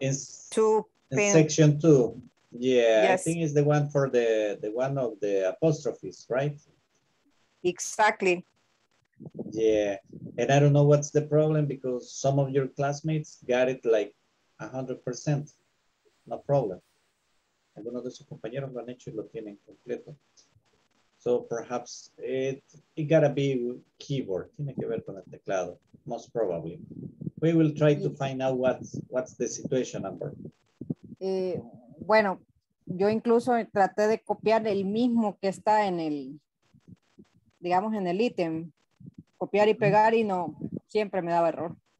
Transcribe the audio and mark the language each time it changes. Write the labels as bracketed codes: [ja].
[en] In section two, yeah, yes. I think it's the one for the one of the apostrophes, right? Exactly. Yeah, and I don't know what's the problem because some of your classmates got it like 100%, no problem. [es] Algunos de sus compañeros lo han hecho y lo tienen completo. [en] So perhaps it gotta be keyboard. [es] Tiene que ver con el teclado, [en] most probably. We will try to find out what's the situation number. [es] Bueno, yo incluso traté de copiar el mismo que está en el, digamos, en el ítem. Copiar y pegar y no, siempre me daba error.